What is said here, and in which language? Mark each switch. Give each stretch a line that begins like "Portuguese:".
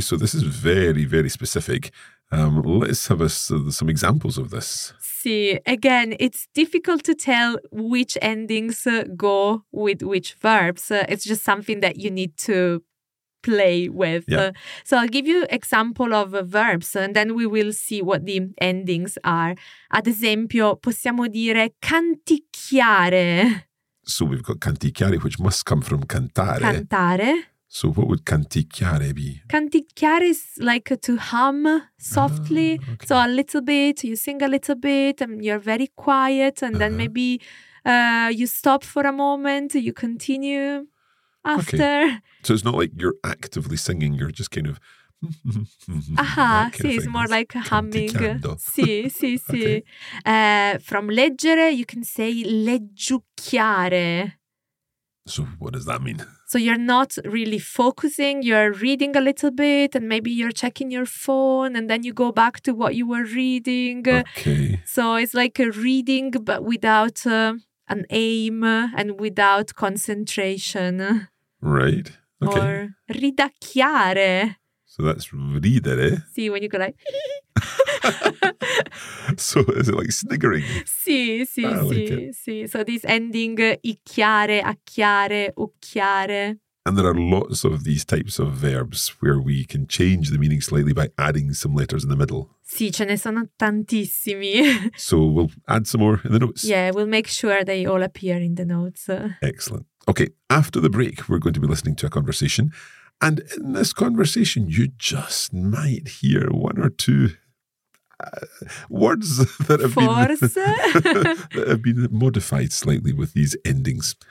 English: So this is very, very specific. Let's have some examples of this.
Italian: Sì,
English: again, it's difficult to tell which endings go with which verbs. It's just something that you need to play with. Yeah. So I'll give you example of verbs and then we will see what the endings are.
Italian: Ad esempio, possiamo dire canticchiare.
English: So we've got canticchiare, which must come from cantare.
Italian: Cantare.
English: So what would canticchiare be? Canticchiare is like to hum softly. Ah, okay. So a little bit, you sing a little bit and you're very quiet and then maybe you stop for a moment, you continue after. Okay. So it's not like you're actively singing, you're just kind of... sì, it's more like humming.
Italian: Sì, sì, sì.
English: Okay. From leggere, you can say leggiucchiare. So what does that mean? So you're not really focusing, you're reading a little bit and maybe you're checking your phone and then you go back to what you were reading. Okay. So it's like a reading but without an aim and without concentration. Right. Okay. Or ridacchiare. So that's ridere. Sì, when you go like... So is it like sniggering?
Italian: Sì, sì, ah, sì,
English: like
Italian: sì.
English: So this ending, icchiare, acchiare, ucchiare. And there are lots of these types of verbs where we can change the meaning slightly by adding some letters in the middle.
Italian: Sì, ce ne sono tantissimi.
English: So we'll add some more in the notes. Yeah, we'll make sure they all appear in the notes. Excellent. Okay, after the break, we're going to be listening to a conversation. And in this conversation, you just might hear one or two words that have that have been modified slightly with these endings.